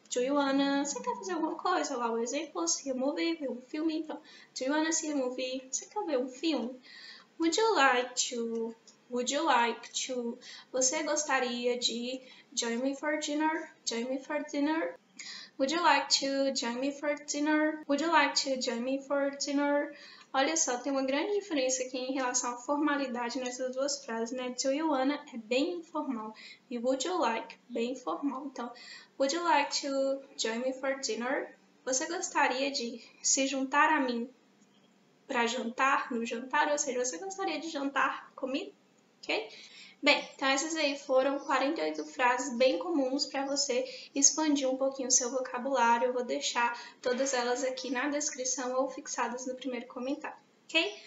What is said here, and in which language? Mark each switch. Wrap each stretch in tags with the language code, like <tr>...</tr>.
<en>Do you wanna,</en> <pt>você quer fazer alguma coisa? Lá o exemplo,</pt> <en>see a movie,</en> <pt>ver um filme. Então,</pt> <en>do you wanna see a movie?</en> <pt>Você quer ver um filme?</pt> <en>Would you like to, would you like to,</en> <pt>você gostaria de</pt> <en>join me for dinner? Join me for dinner? Would you like to join me for dinner? Would you like to join me for dinner?</en> <pt>Olha só, tem uma grande diferença aqui em relação à formalidade nessas duas frases, né?</pt> <en>Do you wanna</en> <pt>é bem informal.</pt> <en>E would you like,</en> <pt>bem formal. Então,</pt> <en>would you like to join me for dinner?</en> <pt>Você gostaria de se juntar a mim para jantar, no jantar? Ou seja, você gostaria de jantar comigo? Ok? Bem, então essas aí foram 48 frases bem comuns para você expandir um pouquinho o seu vocabulário. Eu vou deixar todas elas aqui na descrição ou fixadas no primeiro comentário, ok?</pt>